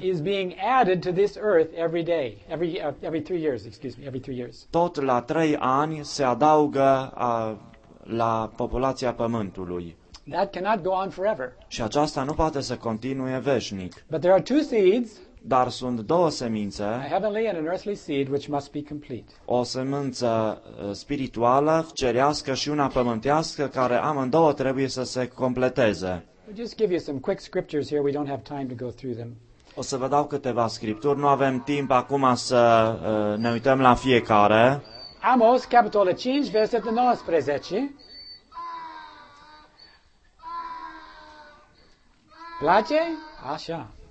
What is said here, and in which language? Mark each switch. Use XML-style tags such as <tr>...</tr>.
<en>is being added to this earth every day, every three years.</en> <ro>Tot la 3 ani se adaugă la populația Pământului.</ro> <en>That cannot go on forever.</en> <ro>Și aceasta nu poate să continue veșnic.</ro> <en>But there are two seeds.</en> <ro>Dar sunt două semințe.</ro> <en>A heavenly and an earthly seed which must be complete.</en> <ro>O semință spirituală, cerească și una pământească, care amândouă trebuie să se completeze.</ro> <en>We'll just give you some quick scriptures here. We don't have time to go through them.</en> <ro>O să vă dau câteva scripturi. Nu avem timp acum să ne uităm la fiecare. Amos, capitolul 5, versetul 19. Place? Așa.</ro>